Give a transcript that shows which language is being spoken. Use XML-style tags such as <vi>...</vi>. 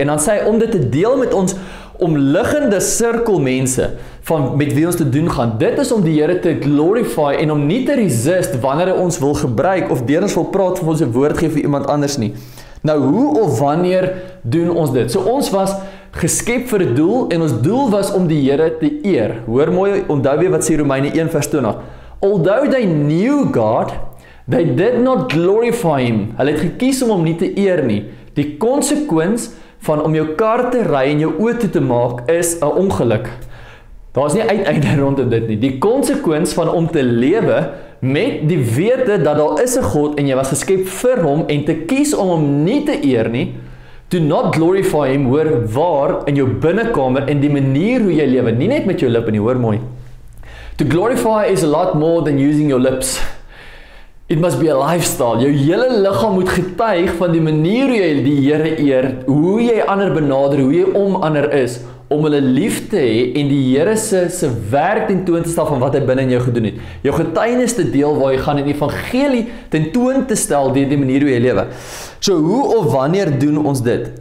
<af>En dan sê hy, om dit te deel met ons omliggende sirkel mense, van met wie ons te doen gaan, dit is om die Here te glorify en om nie te resist wanneer hy ons wil gebruik of deur ons wil praat of ons 'n woord gee vir iemand anders nie. Nou, hoe of wanneer doen ons dit? So, ons was geskep vir 'n doel en ons doel was om die Here te eer. Hoor mooi, onthou weer wat sê Romeine 1:20.</af> <en>Although they knew God, they did not glorify Him.</en> <af>Hulle het gekies om hom nie te eer nie. Die konsekwens van om jou kar te ry en jou oë toe te maak is 'n ongeluk. Daar is nie uiteinde rondom dit nie. Die konsekwens van om te lewe met die wete dat daar is 'n God en jy was geskep vir hom en te kies om hom nie te eer nie,</af> <en>do not glorify Him,</en> <af>hoor, waar in jou binnenkamer en die manier hoe jy lewe, nie net met jou lippe nie, hoor mooi.</af> <en>To glorify is a lot more than using your lips. It must be a lifestyle.</en> <af>Jou hele liggaam moet getuig van die manier hoe jy die Here eer, hoe jy ander benader, hoe jy om ander is, om hulle lief te hê en die Here se werk ten toon te stel van wat hy binne in jou gedoen het. Jou getuienis te deel waar jy gaan in die evangelie ten toon te stel deur die manier hoe jy lewe. So hoe of wanneer doen ons dit?</af>